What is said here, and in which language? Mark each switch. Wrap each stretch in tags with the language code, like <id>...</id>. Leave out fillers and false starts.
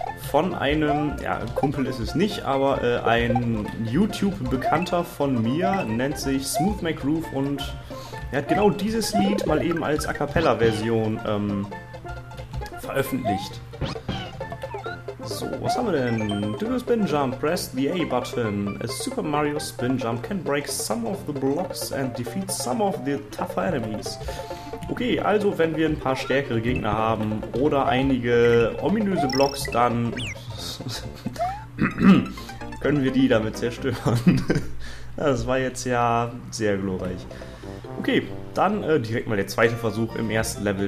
<de>Von einem, ja, Kumpel ist es nicht, aber ein YouTube-Bekannter von mir, nennt sich Smooth Mac Groove, und er hat genau dieses Lied mal eben als A Cappella-Version veröffentlicht. So, was haben wir denn?</de> <en>Do the spin jump, press the A button. A Super Mario spin jump can break some of the blocks and defeat some of the tougher enemies.</en> <de>Okay, also wenn wir ein paar stärkere Gegner haben oder einige ominöse Blocks, dann können wir die damit zerstören. Das war jetzt ja sehr glorreich. Okay, dann direkt mal der zweite Versuch im ersten Level.</de>